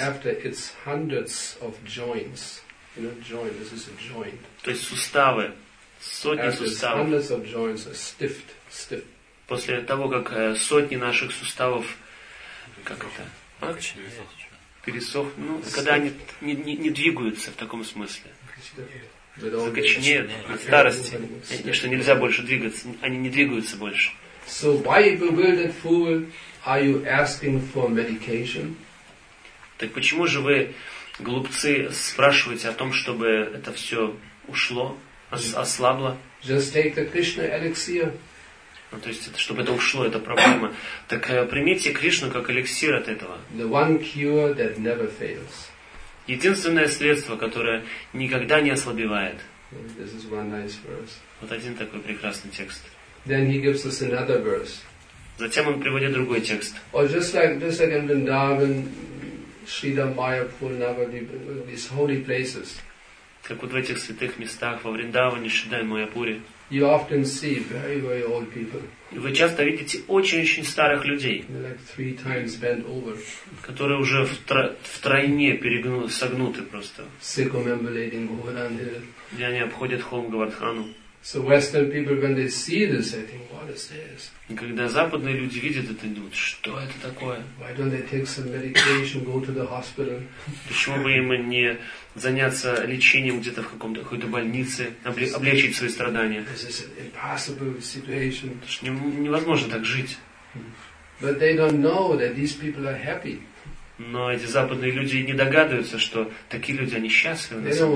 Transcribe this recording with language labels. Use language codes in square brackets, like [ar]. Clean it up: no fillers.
[en] After its hundreds of joints, you know, joint, this is a joint. [ru] То есть суставы, сотни суставов. [en] After hundreds of joints are stiff. [ru] После того, как сотни наших суставов, как это? Пересохнут. Ну, когда они не двигаются в таком смысле. Закоченеют от старости. И что нельзя больше двигаться, они не двигаются больше. [en] So why, bewildered fool, are you asking for medication? [ru] Так почему же вы, глупцы, спрашиваете о том, чтобы это все ушло, ослабло? [en] Just take the Krishna elixir. [ru] Ну, то есть, чтобы это ушло, это проблема. Так примите Кришну как эликсир от этого. [en] The one cure that never fails. [ru] Единственное средство, которое никогда не ослабевает. [en] This is one nice verse. [ru] Вот один такой прекрасный текст. [en] Then he gives us another verse. [ru] Затем он приводит другой текст. [en] Or just like in Vrindavan, Shridham, Mayapur, Navadvip, these holy places. [ru] Как вот в этих святых местах, во Вриндаване, Шридхаме, Майяпуре. [en] You often see very, very old people. [ru] И вы часто видите очень-очень старых людей. [en] They're like three times bent over. [ru] Которые уже втройне согнуты просто. [en] Circumambulating Govardhana. [ru] И они обходят холм Говардхану. [en] So Western people, when they see this, they think, "What is this?" [ru] Когда западные люди видят это, думают, что это такое? [en] Why don't they take some medication, go to the hospital? [ru] Почему бы им не заняться лечением где-то в какой-то больнице, облегчить свои страдания? [en] This is an impossible situation. [ru] Потому что невозможно так жить. [en] But they don't know that these people are happy. [ru] Но эти западные люди не догадываются, что такие люди, они счастливы.